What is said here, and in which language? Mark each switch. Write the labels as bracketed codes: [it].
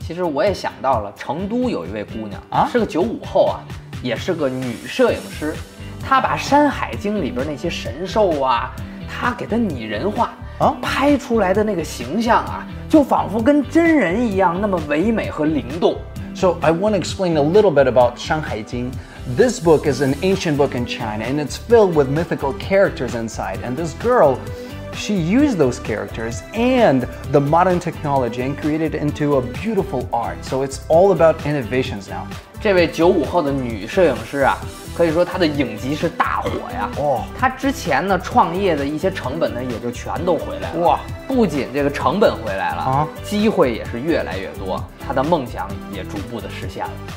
[zh] 其实我也想到了，成都有一位姑娘啊，是个95后啊，也是个女摄影师，她把《山海经》里边那些神兽啊，她给她拟人化啊，拍出来的那个形象啊。就仿佛跟真人一样那么唯美和灵动。 [en] So I want to explain a little bit about 山海经. This book is an ancient book in China and it's filled with mythical characters inside. And this girl, she used those characters and the modern technology and created it into a beautiful art. So it's all about innovations now. [zh] 这位95后的女摄影师啊，可以说她的影集是大火呀。哦，她之前呢创业的一些成本呢也就全都回来了。哇，不仅这个成本回来了啊，机会也是越来越多，她的梦想也逐步的实现了。